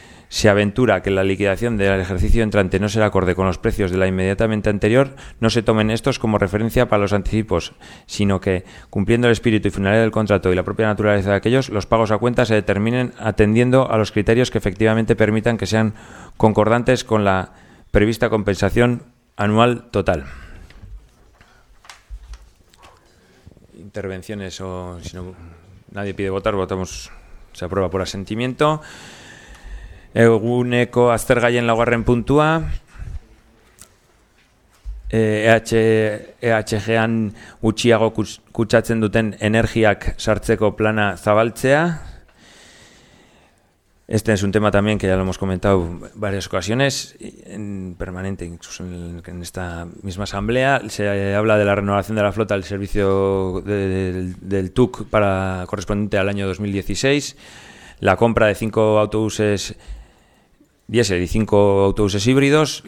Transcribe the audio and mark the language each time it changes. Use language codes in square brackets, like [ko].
[es] se aventura que la liquidación del ejercicio entrante no será acorde con los precios de la inmediatamente anterior, no se tomen estos como referencia para los anticipos, sino que, cumpliendo el espíritu y finalidad del contrato y la propia naturaleza de aquellos, los pagos a cuenta se determinen atendiendo a los criterios que efectivamente permitan que sean concordantes con la prevista compensación anual total. Intervenciones o si no nadie pide votar, votamos, se aprueba por asentimiento. [eu] Eguneko aztergaien laugarren puntua, EHG-an gutxiago kutsatzen duten energiak sartzeko plana zabaltzea. [es] Este es un tema también que ya lo hemos comentado varias ocasiones, en permanente, incluso en esta misma asamblea. Se habla de la renovación de la flota del servicio del TUC para correspondiente al año 2016, la compra de 5 autobuses diésel y 5 autobuses híbridos.